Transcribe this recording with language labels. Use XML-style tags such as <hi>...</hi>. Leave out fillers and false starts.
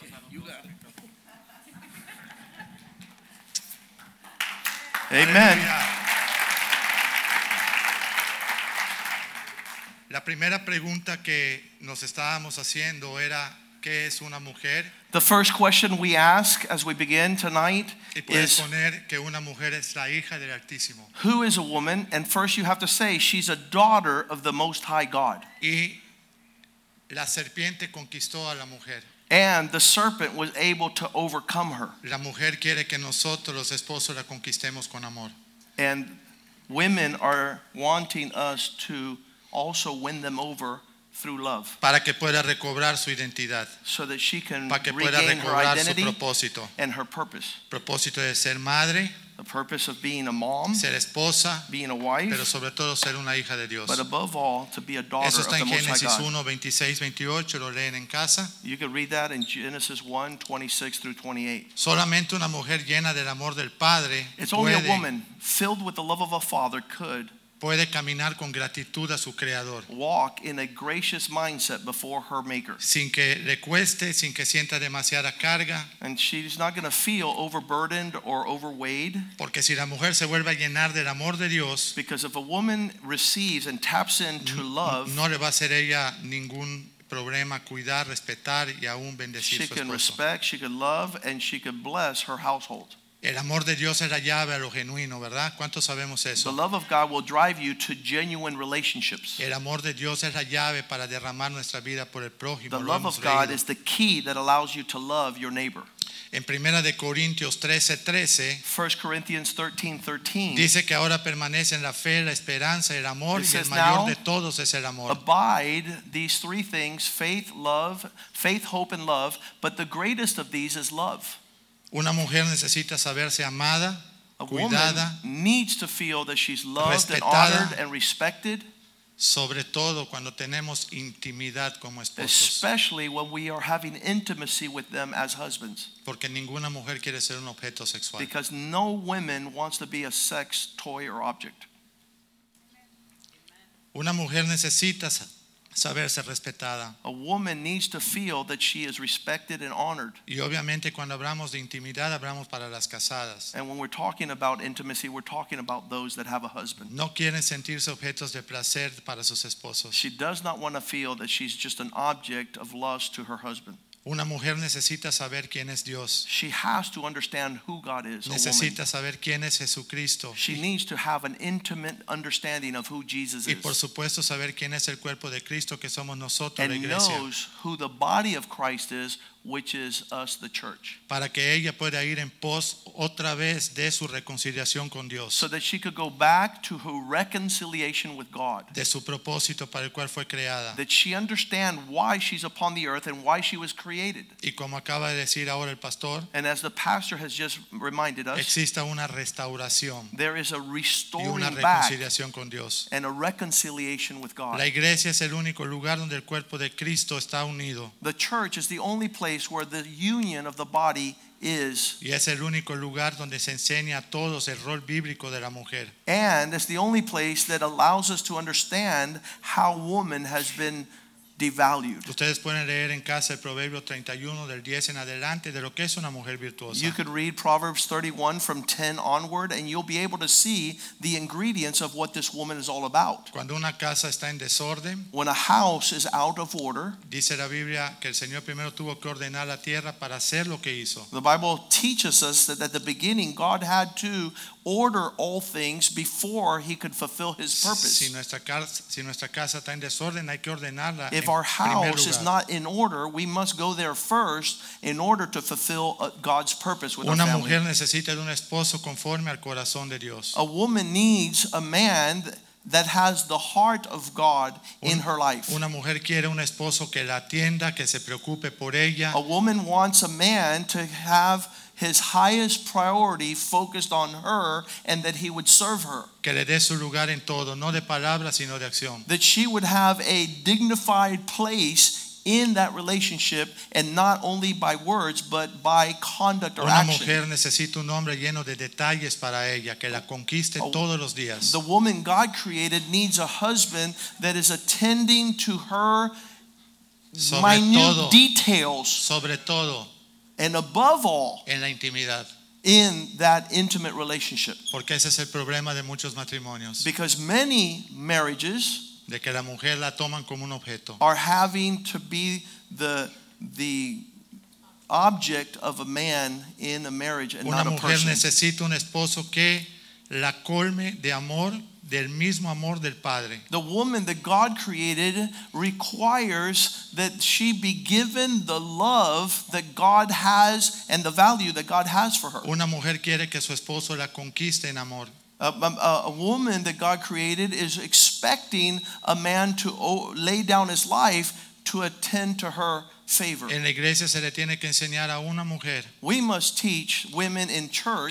<en>You got it. Amen.</en> <es>La primera pregunta que nos estábamos haciendo era, ¿qué es una mujer?</es> <en>The first question we ask as we begin tonight is,</en> <es>poner que una mujer es la hija del Altísimo.</es> <en>Who is a woman? And first you have to say, she's a daughter of the Most High God.</en> <es>Y la serpiente conquistó a la mujer.</es> <en>And the serpent was able to overcome her.</en> <es>La mujer quiere que nosotros, los esposos, la conquistemos con amor.</es> <en>And women are wanting us to also win them over through love,</en> <es>para que pueda recobrar su identidad,</es> <en>so that she can regain her identity and her purpose.</en> <es>Propósito de ser madre,</es> <en>the purpose of being a mom,</en> <es>ser esposa,</es> <en>being a wife,</en> <es>pero sobre todo ser una hija de Dios.</es> <en>But above all, to be a daughter of the Most High God.</en> <es>Eso está en Génesis 1, 26, 28. Lo leen en casa.</es> <en>You can read that in Genesis 1, 26 through 28.</en> <es>Solamente una mujer llena del amor del Padre puede.</es> <en>It's only a woman filled with the love of a father could.</en> <es>Puede caminar con gratitud a su creador.</es> <en>Walk in a gracious mindset before her maker.</en> <es>Sin que le cueste, sin que sienta demasiada carga.</es> <en>And she's not going to feel overburdened or overweighed.</en> <es>Porque si la mujer se vuelve a llenar del amor de Dios,</es> <en>because if a woman receives and taps into love,</en> <es>no le va a hacer ella ningún problema cuidar, respetar y aún bendecir su esposo.</es> <en>She can respect, she can love, and she can bless her household.</en> <es>El amor de Dios es la llave a lo genuino, ¿verdad? ¿Cuántos sabemos eso?</es> <en>The love of God will drive you to genuine relationships.</en> <es>El amor de Dios es la llave para derramar nuestra vida por el prójimo.</es> <en>The love of God is the key that allows you to love your neighbor.</en> <es>En Primera de Corintios 13:13,</es> <en>1 Corinthians 13:13,</en> <es>dice que ahora permanece en la fe, la esperanza, el amor, y el mayor de todos es el amor.</es> <en>Abide these three things, faith, love, faith, hope, and love, but the greatest of these is love.</en> <es>Una mujer necesita saberse amada, a cuidada,</es> <en>needs to feel that she's loved,</en> <es>respetada,</es> <en>and honored and respected,</en> <es>sobre todo cuando tenemos intimidad como esposos,</es> <en>especially when we are having intimacy with them as husbands,</en> <es>porque ninguna mujer quiere ser un objeto sexual,</es> <en>because no woman wants to be a sex toy or object.</en> <es>Una mujer necesita saberse respetada.</es> <en>A woman needs to feel that she is respected and honored.</en> <es>Y obviamente cuando hablamos de intimidad hablamos para las casadas.</es> <en>And when we're talking about intimacy, we're talking about those that have a husband.</en> <es>No quieren sentirse objetos de placer para sus esposos.</es> <en>She does not want to feel that she's just an object of lust to her husband.</en> <es>Una mujer necesita saber quién es Dios.</es> <en>She has to understand who God is.</en> <es>Necesita saber quién es Jesucristo.</es> <en>She needs to have an intimate understanding of who Jesus is.</en> <es>Y por supuesto saber quién es el cuerpo de Cristo que somos nosotros, la iglesia.</es> <en>And knows who the body of Christ is, which is us, the church.</en> <es>Para que ella pueda ir en pos otra vez de su reconciliación con Dios.</es> <en>So that she could go back to her reconciliation with God.</en> <es>De su propósito para el cual fue creada.</es> <en>That she understand why she's upon the earth and why she was created.</en> <es>Y como acaba de decir ahora el pastor.</es> <en>And as the pastor has just reminded us.</en> <es>Existe una restauración.</es> <en>There is a restoring back.</en> <es>Y una reconciliación con Dios.</es> <en>And a reconciliation with God.</en> <es>La iglesia es el único lugar donde el cuerpo de Cristo está unido.</es> <en>The church is the only place where the union of the body is.</en> <es>Y es el único lugar donde se enseña a todos el rol bíblico de la mujer.</es> <en>And it's the only place that allows us to understand how woman has been devalued.</en> <es>Ustedes pueden leer en casa el Proverbio 31 del 10 en adelante de lo que es una mujer virtuosa.</es> <en>You could read Proverbs 31 from 10 onward and you'll be able to see the ingredients of what this woman is all about.</en> <es>Cuando una casa está en desorden,</es> <en>when a house is out of order,</en> <es>dice la Biblia que el Señor primero tuvo que ordenar la tierra para hacer lo que hizo.</es> <en>The Bible teaches us that at the beginning God had to order all things before he could fulfill his purpose.</en> <es>Si nuestra casa está en desorden, hay que ordenarla.</es> <en>If our house is not in order, we must go there first in order to fulfill God's purpose with our family.</en> <es>Una mujer necesita de un esposo conforme al corazón de Dios.</es> <en>A woman needs a man that has the heart of God in her life.</en> <es>Una mujer quiere un esposo que la atienda, que se preocupe por ella.</es> <en>A woman wants a man to have his highest priority focused on her and that he would serve her.</en> <es>Que le dé su lugar en todo, no de palabras, sino de acción.</es> <en>That she would have a dignified place in that relationship and not only by words but by conduct or action.</en> <es>Una mujer necesita un hombre lleno de detalles para ella que la conquiste todos los días.</es> <en>The woman God created needs a husband that is attending to her minute details.</en> <es>Sobre todo.</es> <en>And above all,</en> <es>en la intimidad,</es> <en>in that intimate relationship.</en> <es>Porque ese es el problema de muchos matrimonios.</es> <en>Because many marriages,</en> <es>de que la mujer la toman como un objeto,</es> <en>are having to be the object of a man in a marriage and</en> <es>una mujer</es> <en>person.</en> <es>Necesita un esposo que la colme de amor, del mismo amor del padre.</es> <en>The woman that God created requires that she be given the love that God has and the value that God has for her.</en> <es>Una mujer quiere que su esposo la conquiste en amor.</es> <en>A woman that God created is expecting a man to lay down his life to attend to her favor.</en> <es>En la iglesia se le tiene que enseñar a una mujer.</es> <en>We must teach women in church</en>